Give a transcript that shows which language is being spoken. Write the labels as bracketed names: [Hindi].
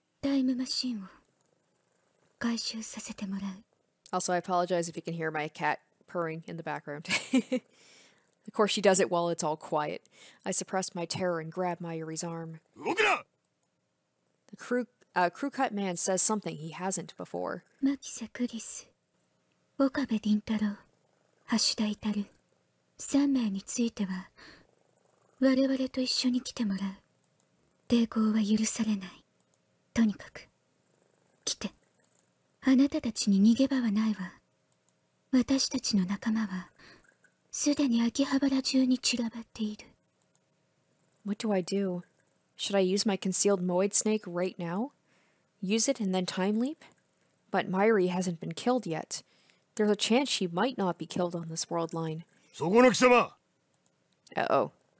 [Japanese] Time machine を回収させてもらう。 [English] Also, I apologize if you can hear my cat purring in the background. Of course, she does it while it's all quiet. I suppress my terror and grab Mayuri's arm. [Japanese] 動くな! [English] The crew cut man says something he hasn't before. [Japanese] マキサ・クリス、岡部凛太郎、橋田イタル、3名については我々と一緒に来てもらう。抵抗は許されない。とにかく、来て。あなたたちに逃げ場はないわ。私たちの仲間は、すでに秋葉原中に散らばっている。 [English] What do I do? Should I use my concealed Moid Snake right now? Use it and then time leap? But Mayuri hasn't been killed yet. There's a chance she might not be killed on this world line. [Japanese] そこの貴様! [English] Uh-oh.